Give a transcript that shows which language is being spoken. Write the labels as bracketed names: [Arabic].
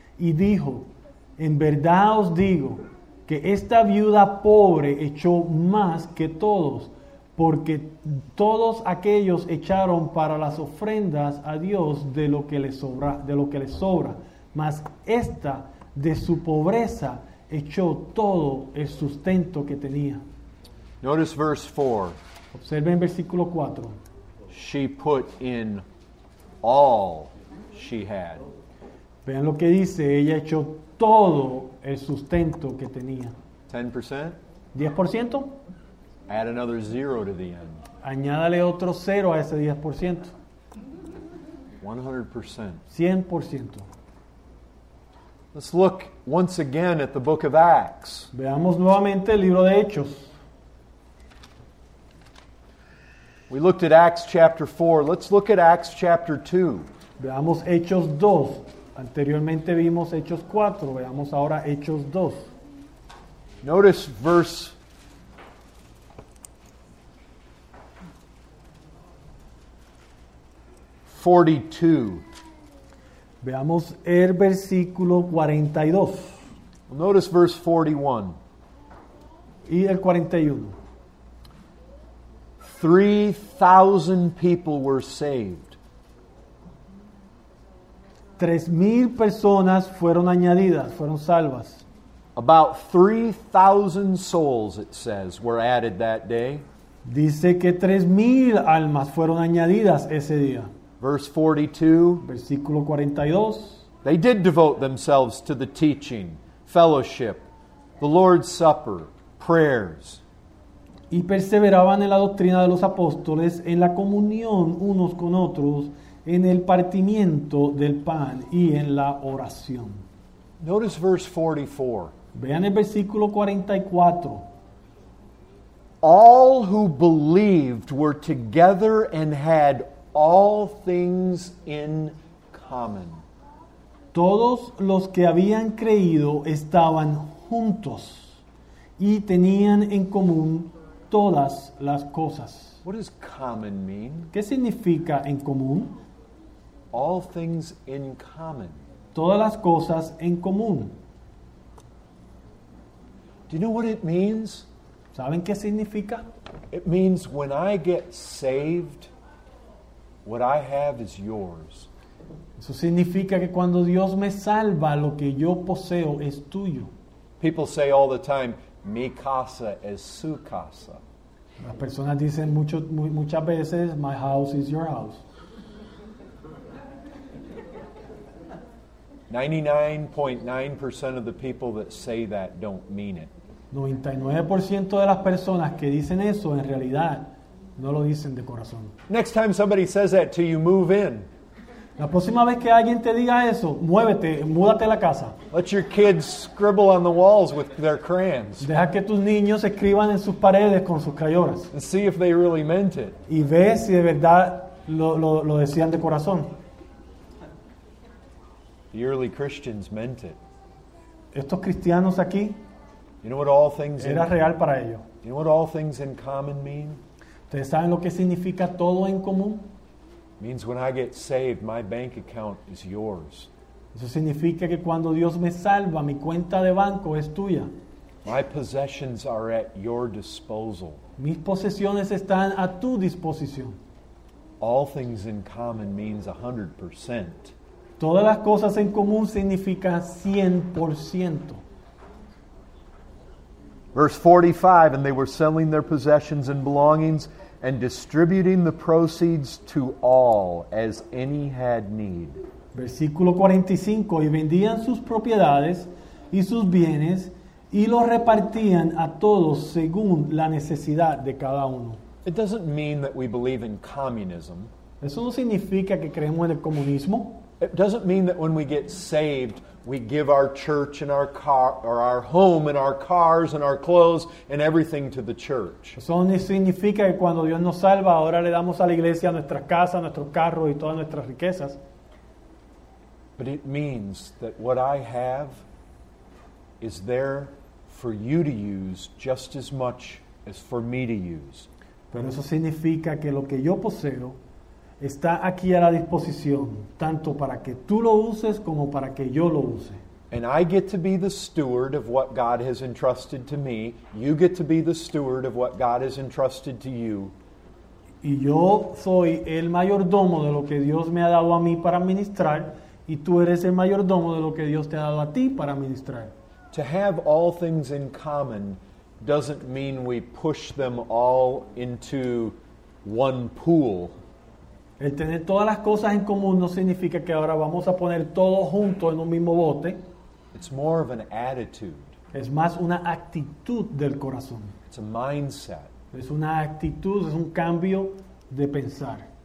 [Spanish] Y dijo, en verdad os digo que esta viuda pobre echó más que todos, porque todos aquellos echaron para las ofrendas a Dios de lo que les sobra, mas esta de su pobreza echó todo el sustento que tenía. [English] Notice verse 4. [Spanish] Observen versículo 4. [English] She put in all she had. [Spanish] Vean lo que dice, ella echó todo el sustento que tenía. [English] 10%? [Spanish] 10%. [English] Add another zero to the end. [Spanish] Añádale otro cero a ese 10%. [English] 100%. [Spanish] 100%. [English] Let's look once again at the book of Acts. [Spanish] Veamos nuevamente el libro de Hechos. [English] We looked at Acts chapter 4. Let's look at Acts chapter 2. [Spanish] Veamos Hechos 2. Anteriormente vimos Hechos 4. Veamos ahora Hechos 2. [English] Notice verse 42. [Spanish] Veamos el versículo 42. [English] Notice verse 41. [Spanish] Y el 41. [English] 3,000 people were saved. [Spanish] 3,000 personas fueron añadidas, fueron salvas. [English] About 3,000 souls, it says, were added that day. [Spanish] Dice que 3,000 almas fueron añadidas ese día. [English] Verse 42, [Spanish] versículo 42. [English] They did devote themselves to the teaching, fellowship, the Lord's Supper, prayers. [Spanish] Y perseveraban en la doctrina de los apóstoles, en la comunión unos con otros, en el partimiento del pan y en la oración. [English] Notice verse 44. [Spanish] Vean el versículo 44. [English] All who believed were together and had all things in common. [Spanish] Todos los que habían creído estaban juntos y tenían en común todas las cosas. [English] What does common mean? [Spanish] ¿Qué significa en común? [English] All things in common. [Spanish] Todas las cosas en común. [English] Do you know what it means? [Spanish] ¿Saben qué significa? [English] It means when I get saved, what I have is yours. [Spanish] Eso significa que cuando Dios me salva, lo que yo poseo es tuyo. [English] People say all the time, [Spanish] mi casa es su casa. Las personas dicen muchas veces, [English] my house is your house. 99.9% of the people that say that don't mean it. [Spanish] 99% de las personas que dicen eso en realidad no lo dicen de corazón. [English] Next time somebody says that to you, move in. [Spanish] La próxima vez que alguien te diga eso, muévete, múdate a la casa. [English] Let your kids scribble on the walls with their crayons. [Spanish] Deja que tus niños escriban en sus paredes con sus crayones. [English] And see if they really meant it. [Spanish] Y ve si de verdad lo decían de corazón. [English] The early Christians meant it. [Spanish] Estos cristianos aquí, [English] you know what all things [Spanish] era real para ellos. [English] You know what all things in common mean? [Spanish] ¿Ustedes saben lo que significa todo en común? [English] Means when I get saved, my bank account is yours. [Spanish] Eso significa que cuando Dios me salva, mi cuenta de banco es tuya. [English] My possessions are at your disposal. [Spanish] Mis posesiones están a tu disposición. [English] All things in common means 100%. [Spanish] Todas las cosas en común significa 100%. [English] Verse 45, and they were selling their possessions and belongings and distributing the proceeds to all as any had need. [Spanish] Versículo 45, y vendían sus propiedades y sus bienes y los repartían a todos según la necesidad de cada uno. [English] It doesn't mean that we believe in communism. [Spanish] Eso no significa que creemos en el comunismo. [English] It doesn't mean that when we get saved, we give our church and our car, or our home and our cars and our clothes and everything to the church. [Spanish] Eso no significa que cuando Dios nos salva, ahora le damos a la iglesia nuestras casas, nuestros carros y todas nuestras riquezas. [English] But it means that what I have is there for you to use just as much as for me to use. [Spanish] Pero eso significa que lo que yo poseo está aquí a la disposición, tanto para que tú lo uses como para que yo lo use. [English] And I get to be the steward of what God has entrusted to me. You get to be the steward of what God has entrusted to you. [Spanish] Y yo soy el mayordomo de lo que Dios me ha dado a mí para administrar, y tú eres el mayordomo de lo que Dios te ha dado a ti para administrar. [English] To have all things in common doesn't mean we push them all into one pool. [Spanish] El tener todas las cosas en común no significa que ahora vamos a poner todo junto en un mismo bote. [English] It's more of an attitude. [Spanish] Es más una actitud del corazón. [English] It's a mindset. [Spanish] Es una actitud, es un cambio de pensar.